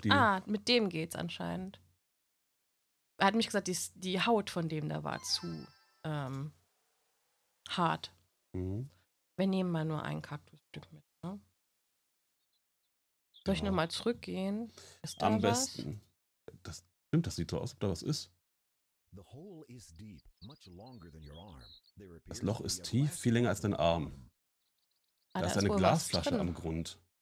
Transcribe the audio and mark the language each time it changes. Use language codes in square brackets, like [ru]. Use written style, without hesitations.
[de] Ah, mit dem geht's anscheinend. Er hat mich gesagt, die Haut von dem da war zu hart. Mhm. Wir nehmen mal nur ein Kaktusstück mit. Ne? Soll ich nochmal zurückgehen? Ist da am besten. Was? Das stimmt, das sieht so aus, ob da was ist. [en] The hole is deep, much longer than your arm. [de] Das Loch ist tief, viel länger als dein Arm. Ah, da ist eine Glasflasche am Grund.